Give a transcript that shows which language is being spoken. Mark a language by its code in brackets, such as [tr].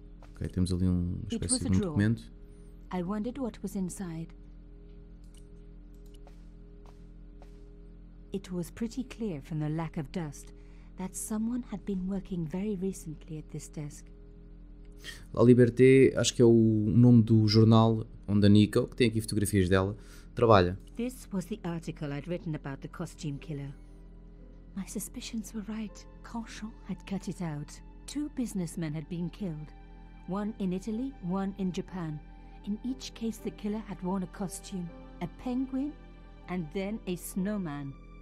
[pt] Ok, temos ali uma espécie de documento. [en] I wondered what was inside. It was pretty clear from the lack of dust. That someone had been working very recently at this desk. [pt] La Liberté, acho que é o nome do jornal onde a Nico, que tem aqui fotografias dela, trabalha. [en] This was the article I'd written about the costume killer. My suspicions were right. Cauchon had cut it out. Two businessmen had been killed. One in Italy, one in Japan. In each case, the killer had worn a costume, a penguin, and then a snowman.